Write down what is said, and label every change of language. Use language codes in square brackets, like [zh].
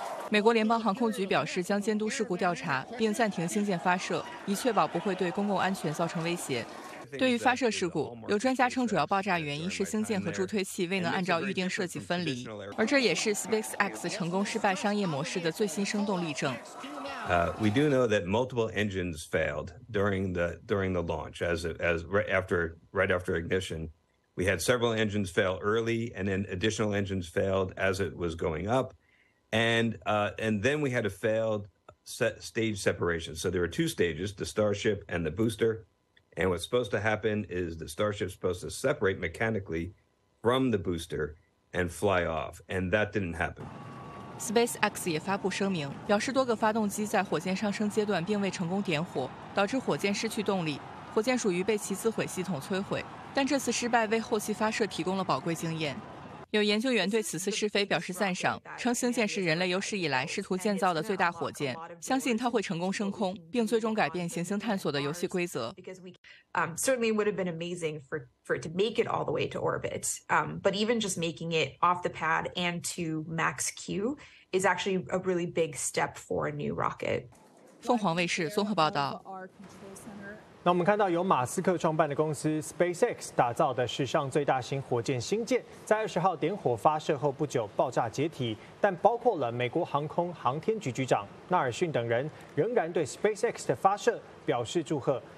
[zh] 美国联邦航空局表示将监督事故调查，并暂停星舰发射，以确保不会对公共安全造成威胁。对于发射事故，有专家称主要爆炸原因是星舰和助推器未能按照预定设计分离，而这也是 SpaceX 成功失败商业模式的最新生动例证。 [en] We do know that multiple engines failed during the launch. After ignition, we had several engines fail early, and then additional engines failed as it was going up, and then we had a failed stage separation. So there were 2 stages: the Starship and the booster. And what's supposed to happen is the Starship's supposed to separate mechanically from the booster and fly off, and that didn't happen. [zh] SpaceX 也发布声明，表示多个发动机在火箭上升阶段并未成功点火，导致火箭失去动力，火箭属于被其自毁系统摧毁，但这次失败为后期发射提供了宝贵经验。有研究员对此次试飞表示赞赏，称星舰是人类有史以来试图建造的最大火箭，相信它会成功升空，并最终改变行星探索的游戏规则。 [en] Certainly would have been amazing for it to make it all the way to orbit. But even just making it off the pad and to max Q is actually a really big step for a new rocket. [zh] 凤凰卫视综合报道。那我们看到由马斯克创办的公司 SpaceX 打造的史上最大型火箭星舰，在20号点火发射后不久爆炸解体，但包括了美国航空航天局局长纳尔逊等人仍然对 SpaceX 的发射表示祝贺。